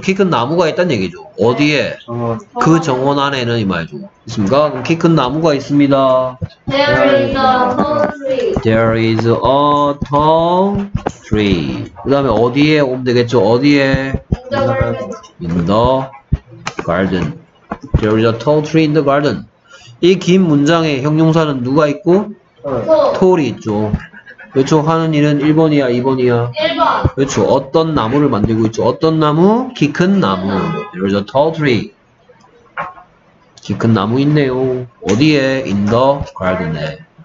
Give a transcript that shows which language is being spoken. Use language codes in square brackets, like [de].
[ko] 키 큰 나무가 있단 얘기죠. 어디에? 네. 그 정원 안에는 이 말이죠. 있습니까? 키 큰 나무가 있습니다. [en] There is a tall tree. There is a tall tree. [ko] 그 다음에 어디에 오면 되겠죠? 어디에? [en] In the garden. Garden. There is a tall tree in the garden. [ko] 이 긴 문장에 형용사는 누가 있고? 톨이 있죠. 그렇죠. 하는 일은 1번이야, 2번이야? 1번. 그렇죠. 어떤 나무를 만들고 있죠? 어떤 나무? 키 큰 나무. [en] There is a tall tree. [ko] 키 큰 나무 있네요. 어디에? [en] In the garden [ko] 에.